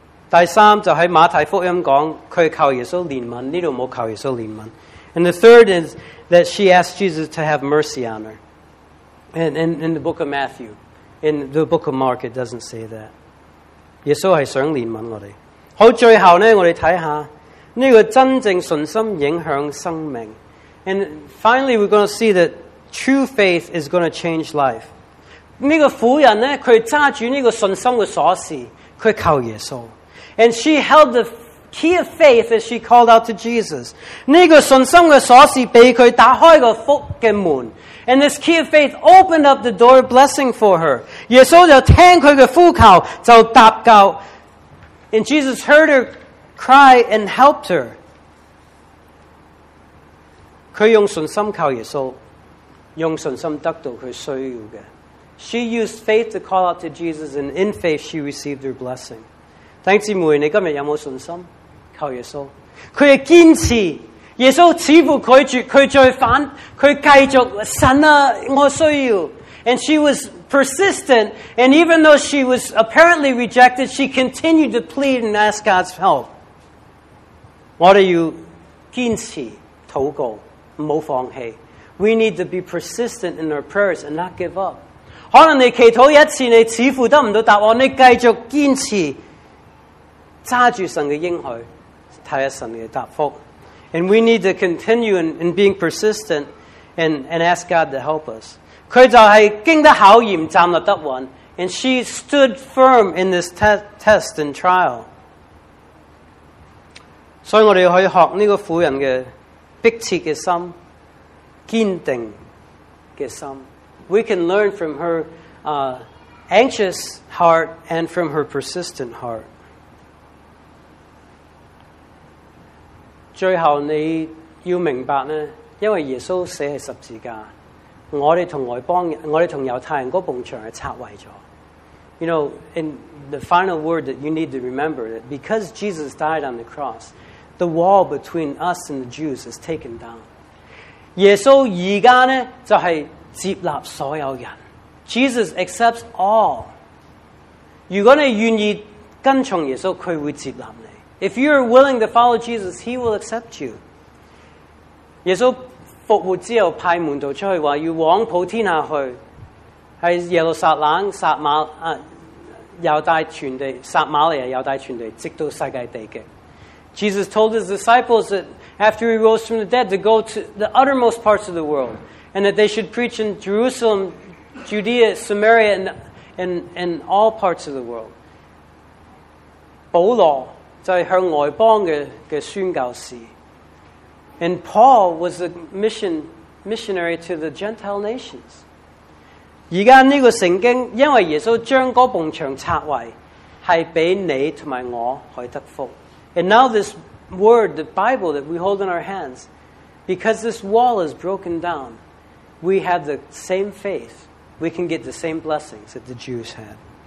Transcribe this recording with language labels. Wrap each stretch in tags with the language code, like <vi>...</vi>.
<zh>第三就在马太福音讲，她靠耶稣怜悯，这里没靠耶稣怜悯。</zh> <en>And the third is that she asked Jesus to have mercy on her. And in the book of Matthew, in the book of Mark, it doesn't say that.</en> <zh>耶稣是想怜悯我们。好，最后呢，我们看看这个真正信心影响生命。</zh> <en>And finally, we're going to see that true faith is going to change life.</en> <zh>这个妇人呢，她揸住这个信心的锁匙，她靠耶稣。</zh> <en>And she held the key of faith as she called out to Jesus.</en> <zh>这个信心的锁匙被她打开个福的门。</zh> <en>And this key of faith opened up the door of blessing for her.</en> <zh>耶稣就听她的呼求，就答告。</zh> <en>And Jesus heard her cry and helped her.</en> <zh>她用信心靠耶稣，用信心得到她需要的。</zh> <en>She used faith to call out to Jesus, and in faith she received her blessing.</en> <zh>弟兄姊妹，你今天有没有信心靠耶稣？她的坚持，耶稣似乎拒绝，她再反，她继续，神啊，我需要。</zh> <en>And she was persistent, and even though she was apparently rejected, she continued to plead and ask God's help.</en> <zh>我们要坚持祷告，不要放弃。</zh> <en>We need to be persistent in our prayers and not give up.</en> <zh>可能你祈祷一次，你似乎得不到答案，你继续坚持，揸住神的应许，睇下神的答复。</zh> <en>And we need to continue in being persistent and ask God to help us.</en> <zh>她就是经得考验，站立得稳。</zh> <en>And she stood firm in this test and trial.</en> <zh>所以我们可以学这个妇人的迫切的心，坚定的心。</zh> <en>We can learn from her anxious heart and from her persistent heart.</en> <zh>最后你要明白呢，因为耶稣死在十字架，我们同外邦人，我们同犹太人那埲墙拆毁了。</zh> <en>You know, in the final word that you need to remember, that because Jesus died on the cross, the wall between us and the Jews is taken down.</en> <zh>耶稣现在呢，就是接纳所有人。</zh> <en>Jesus accepts all.</en> <zh>如果你愿意跟从耶稣，他会接纳你。</zh> <en>If you are willing to follow Jesus, he will accept you.</en> <zh>耶稣复活之后派门徒出去说要往普天下去，在耶路撒冷、撒马犹大全地、撒马利亚犹大全地，直到世界地极。</zh> <en>Jesus told his disciples that after he rose from the dead to go to the uttermost parts of the world, and that they should preach in Jerusalem, Judea, Samaria, and all parts of the world.</en> <zh>保罗就是向外邦 的宣教士。</zh> <en>And Paul was a missionary to the Gentile nations.</en> <zh>现在这个圣经，因为耶稣将那埲墙拆毁，是给你和我可以得福。</zh> <en>And now this word, the Bible that we hold in our hands, because this wall is broken down, we have the same faith. We can get the same blessings that the Jews had.</en>